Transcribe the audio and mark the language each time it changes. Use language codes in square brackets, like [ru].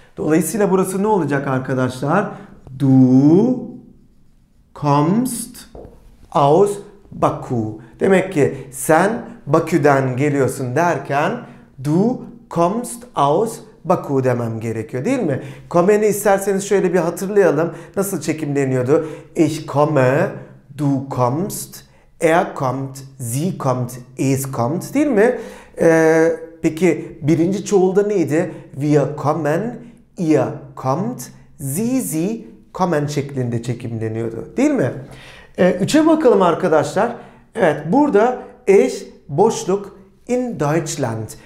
[tr] Dolayısıyla burası ne olacak arkadaşlar? [de] Du kommst aus Baku. [tr] Demek ki sen Bakü'den geliyorsun derken [de] du kommst aus Baku [tr] demem gerekiyor değil mi? Kommen'i isterseniz şöyle bir hatırlayalım. Nasıl çekimleniyordu? [de] Ich komme, du kommst, er kommt, sie kommt, es kommt, [tr] değil mi? Peki birinci çoğulda neydi? [de] Wir kommen, ihr kommt, sie kommen [tr] şeklinde çekimleniyordu, değil mi? Üçe bakalım arkadaşlar. Evet, burada eş boşluk [de] in Deutschland.